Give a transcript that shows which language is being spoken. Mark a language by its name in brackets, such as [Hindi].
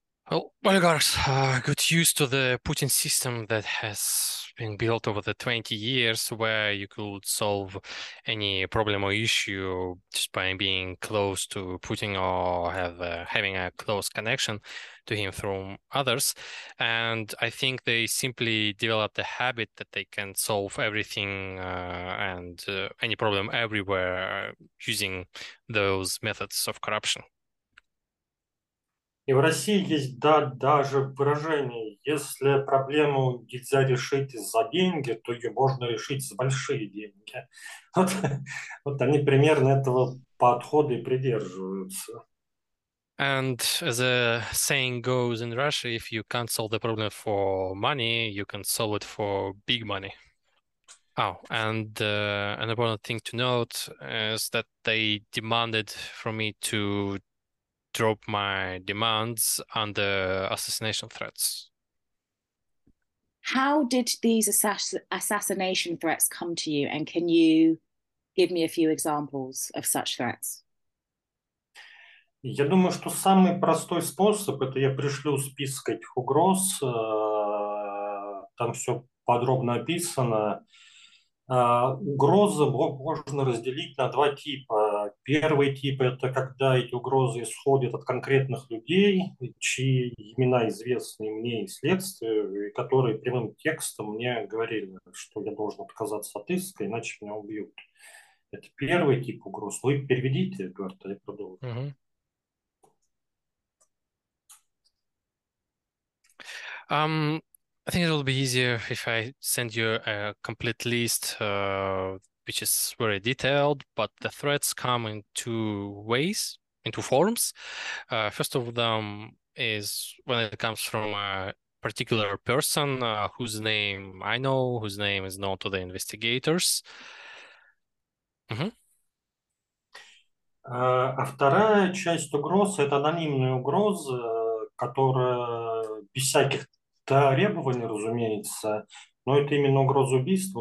[English] Well, oligarchs got used to the Putin system that has been built over the 20 years, where you could solve any problem or issue just by being close to Putin or having a close connection to him through others. And I think they simply developed the habit that they can solve everything and any problem everywhere using those methods of corruption. [Russian] И в России есть даже выражение, если проблему нельзя решить за деньги, то ее можно решить за большие деньги. Вот они примерно этого подхода и придерживаются. [English] And as a saying goes in Russia, if you can't solve the problem for money, you can solve it for big money. Oh, and an important thing to note is that they demanded from me to drop my demands under assassination threats. How did these assassination threats come to you, and can you give me a few examples of such threats? [Russian] Я думаю, что самый простой способ — это я пришлю список этих угроз, там все подробно описано. Угрозы можно разделить на два типа. Первый тип — это когда эти угрозы исходят от конкретных людей, чьи имена известны мне и следствию, и которые прямым текстом мне говорили, что я должен отказаться от иска, иначе меня убьют. Это первый тип угроз. Вы переведите, Эдуард, я продолжу. Mm-hmm. [English] I think it will be easier if I send you a complete list, which is very detailed, but the threats come in two ways, in two forms. First of them is when it comes from a particular person whose name I know, whose name is known to the investigators. [Russian] А вторая часть угрозы – это анонимные угрозы, которые без всяких требований, разумеется, но это именно угроза убийства.